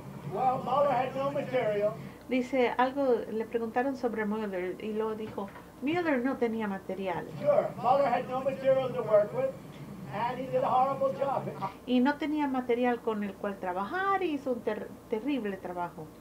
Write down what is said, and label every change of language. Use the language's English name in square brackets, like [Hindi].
[English] Well, Mueller had no material. [Spanish] Dice algo, le preguntaron sobre Mueller y luego dijo, Mueller no tenía material. [English] Sure, Mueller had no material to work with, and he did a horrible job. [Spanish] Y no tenía material con el cual trabajar y hizo un terrible trabajo.